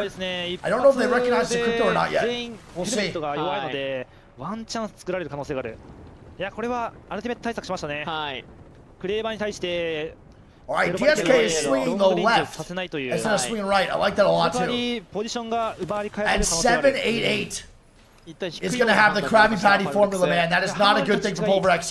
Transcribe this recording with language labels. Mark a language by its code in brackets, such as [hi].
[en] I don't know if they recognize the crypto or not yet. We'll see. [ja] ワンチャンス作られる可能性がある。いやこれはアルティメット対策しましたね。はい。クレーバーに対して [en] Alright, DSK is swinging the left instead of swinging right. I like that a lot too. And 788 is going to have the Krabby Patty formula, man. That is not a good thing for Pulverex.